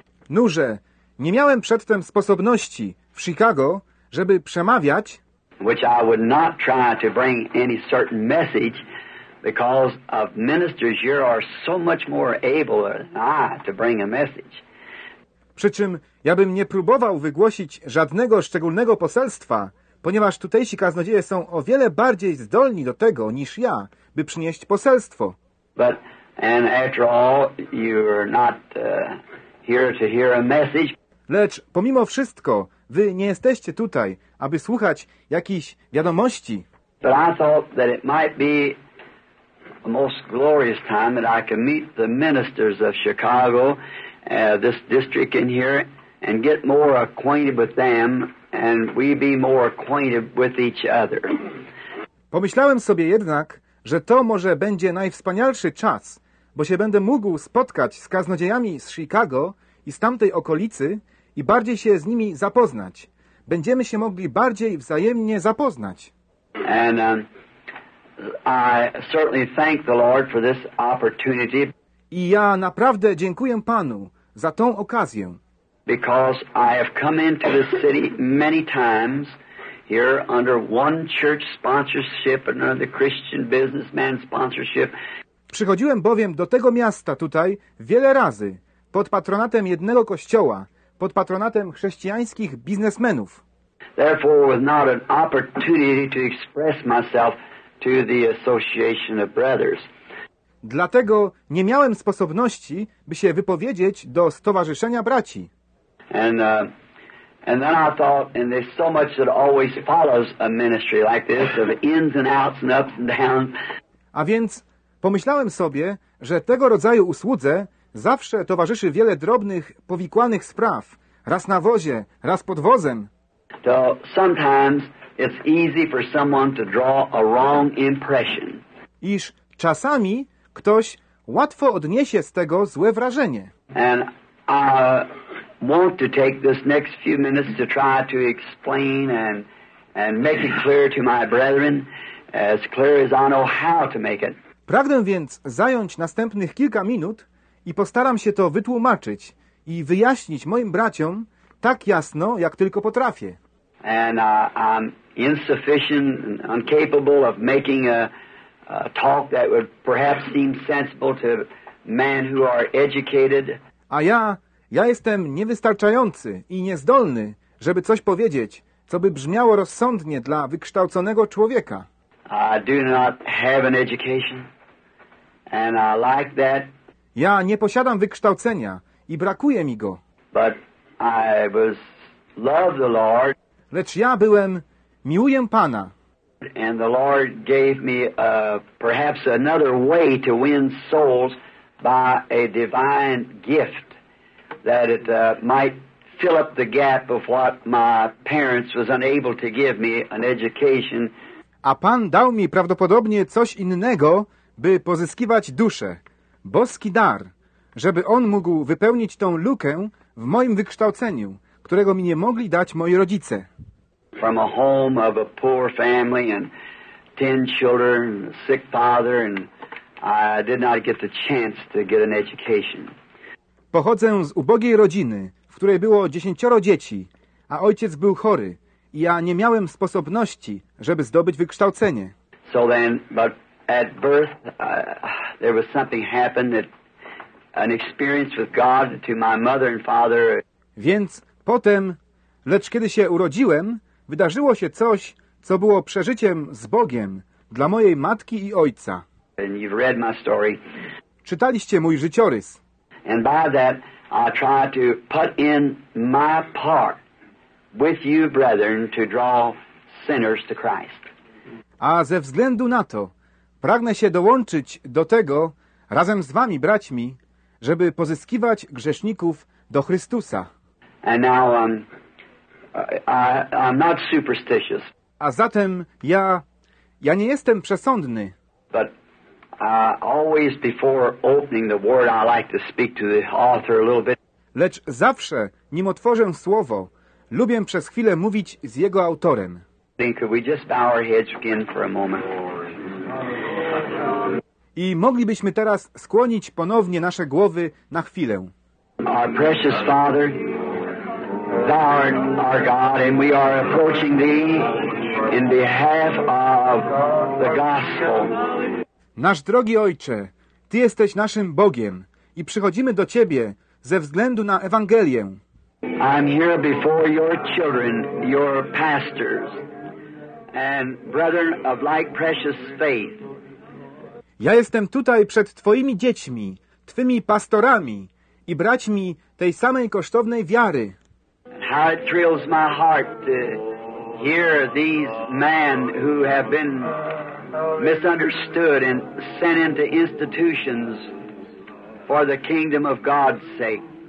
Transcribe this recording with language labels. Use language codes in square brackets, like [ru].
[pl] Nurze, nie miałem przedtem sposobności w Chicago, żeby przemawiać. [en] Which I would not try to bring any certain message because of ministers here are so much more able than I to bring a message. [pl] Przy czym ja bym nie próbował wygłosić żadnego szczególnego poselstwa, ponieważ tutejsi kaznodzieje są o wiele bardziej zdolni do tego niż ja, by przynieść poselstwo. [en] But, and after all, you're not here to hear a message. [pl] Lecz pomimo wszystko, wy nie jesteście tutaj, aby słuchać jakichś wiadomości. [en] But I thought that it might be the most glorious time that I can meet the ministers of Chicago, this district in here, and get more acquainted with them, and we be more acquainted with each other. [pl] Pomyślałem sobie jednak, że to może będzie najwspanialszy czas, bo się będę mógł spotkać z kaznodziejami z Chicago i z tamtej okolicy i bardziej się z nimi zapoznać. Będziemy się mogli bardziej wzajemnie zapoznać. [en] And I certainly thank the Lord for this opportunity. [pl] I ja naprawdę dziękuję Panu za tą okazję. [en] Because I have come into this city many times here under one church sponsorship and under the Christian businessman sponsorship. [pl] Przychodziłem bowiem do tego miasta tutaj wiele razy pod patronatem jednego kościoła, pod patronatem chrześcijańskich biznesmenów. [en] Therefore was not an opportunity to express myself to the association of brothers. [pl] Dlatego nie miałem sposobności, by się wypowiedzieć do stowarzyszenia braci. [en] And then I thought, and there's so much that always follows a ministry like this of ins and outs and ups and downs. [pl] A więc pomyślałem sobie, że tego rodzaju usłudze zawsze towarzyszy wiele drobnych, powikłanych spraw. Raz na wozie, raz pod wozem. [en] So sometimes it's easy for someone to draw a wrong impression. [pl] Iż czasami ktoś łatwo odniesie z tego złe wrażenie. [en] And I want to take this next few minutes to try to explain and make it clear to my brethren, as clear as I know how to make it. [pl] Pragnę więc zająć następnych kilka minut i postaram się to wytłumaczyć i wyjaśnić moim braciom tak jasno, jak tylko potrafię. [en] And I'm insufficient and incapable of making a talk that would perhaps seem sensible to men who are educated. [pl] A ja jestem niewystarczający i niezdolny, żeby coś powiedzieć, co by brzmiało rozsądnie dla wykształconego człowieka. [en] I do not have an education, and I like that. [pl] Ja nie posiadam wykształcenia i brakuje mi go. [en] But I was love the Lord. [pl] Lecz ja byłem, miłuję Pana. [en] And the Lord gave me perhaps another way to win souls by a divine gift that it might fill up the gap of what my parents was unable to give me, an education. [pl] A Pan dał mi prawdopodobnie coś innego, by pozyskiwać duszę. Boski dar, żeby on mógł wypełnić tą lukę w moim wykształceniu, którego mi nie mogli dać moi rodzice. [en] From a home of a poor family and 10 children, a sick father, and I did not get the chance to get an education. [pl] Pochodzę z ubogiej rodziny, w której było 10 dzieci, a ojciec był chory, i ja nie miałem sposobności, żeby zdobyć wykształcenie. [en] So then, but at birth, there was something happened that an experience with God to my mother and father. [pl] Więc potem, lecz kiedy się urodziłem, wydarzyło się coś, co było przeżyciem z Bogiem dla mojej matki i ojca. [en] And you've read my story. [pl] Czytaliście mój życiorys. [en] And by that, I try to put in my part with you, brethren, to draw sinners to Christ. [pl] A ze względu na to, pragnę się dołączyć do tego, razem z wami, braćmi, żeby pozyskiwać grzeszników do Chrystusa. [en] And now, I'm not superstitious. [pl] A zatem ja nie jestem przesądny. [en] But always before opening the word, I like to speak to the author a little bit. [pl] Lecz zawsze, nim otworzę słowo, lubię przez chwilę mówić z jego autorem. [en] Could we just bow our heads again for a moment? [pl] I moglibyśmy teraz skłonić ponownie nasze głowy na chwilę. [en] Our precious Father, Thou art our God, and we are approaching Thee in behalf of the gospel. [pl] Nasz drogi Ojcze, Ty jesteś naszym Bogiem i przychodzimy do Ciebie ze względu na Ewangelię. [en] I'm here before your children, your pastors, and brethren of like precious faith. [pl] Ja jestem tutaj przed Twoimi dziećmi, Twymi pastorami i braćmi tej samej kosztownej wiary. [en] How it thrills my heart to hear these men who have been misunderstood and sent into institutions for the kingdom of God's sake.